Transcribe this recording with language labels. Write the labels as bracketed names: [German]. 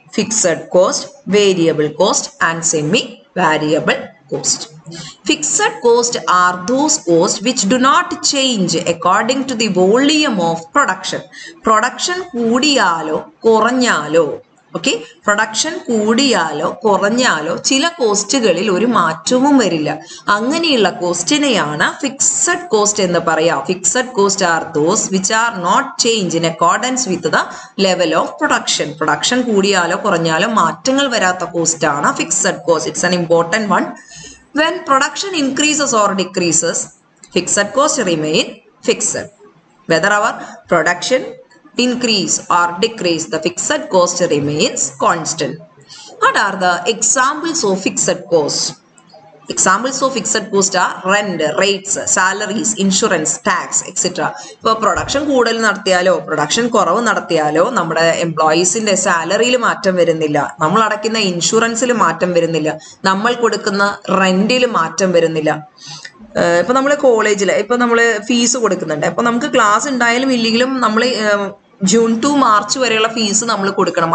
[English] Fixed cost, variable cost, and semi-variable cost. Fixed costs are those costs which do not change according to the volume of production. [Malayalam] Production koodiyalo koranjalo. Okay, production കൂടിയാലോ കുറഞ്ഞാലോ ചില കോസ്റ്റുകളിൽ ഒരു മാറ്റവും വരില്ല. അങ്ങനെയുള്ള കോസ്റ്റിനെയാണ് fixed cost എന്ന് പറയാം. [English] Fixed cost are those which are not change in accordance with the level of production. [Malayalam] Production കൂടിയാലോ കുറഞ്ഞാലോ മാറ്റങ്ങൾ വരാത്ത cost ആണ് fixed cost. [English] It's an important one. When production increases or decreases, fixed cost remain fixed. Whether our production increase or decrease, the fixed cost remains constant. What are the examples of fixed cost? Examples of fixed cost are rent, rates, salaries, insurance, tax, etc. [Malayalam] ഇപ്പോൾ production കൂടുതൽ നടത്തിയാലോ production കുറവ് നടത്തിയാലോ നമ്മുടെ എംപ്ലോയീസിൻ്റെ സാലറിയിൽ മാറ്റം വരുന്നില്ല, നമ്മൾ അടയ്ക്കുന്ന ഇൻഷുറൻസിൽ മാറ്റം വരുന്നില്ല, നമ്മൾ കൊടുക്കുന്ന റെൻറ്റിൽ മാറ്റം വരുന്നില്ല. ഇപ്പൊ നമ്മള് കോളേജില് ഇപ്പൊ നമ്മള് ഫീസ് കൊടുക്കുന്നുണ്ട്. അപ്പൊ നമുക്ക് ക്ലാസ് ഉണ്ടായാലും ഇല്ലെങ്കിലും നമ്മള് ജൂൺ ടു മാർച്ച് വരെയുള്ള ഫീസ് നമ്മൾ കൊടുക്കണം.